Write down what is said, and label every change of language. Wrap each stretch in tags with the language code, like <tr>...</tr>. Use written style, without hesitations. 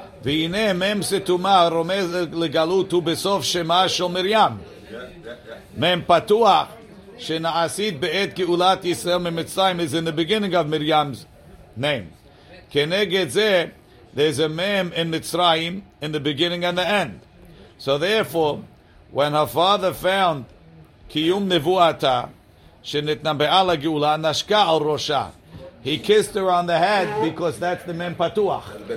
<he>והנה מם סתומה רומז לגלות הוא בסוף שמה של מרים. מם פתוח שנעשית בעת גאולת ישראל ממצרים</he> <en>is in the beginning of Miriam's name.</en> <he>כנגד זה,</he> <en>there's a mem in Mitzrayim in the beginning and the end. So therefore, when her father found</en> <he>קיום נבואתה שנתנבאה לגאולה נשקה על ראשה.</he> <en>He kissed her on the head because that's the mem patuach.</en>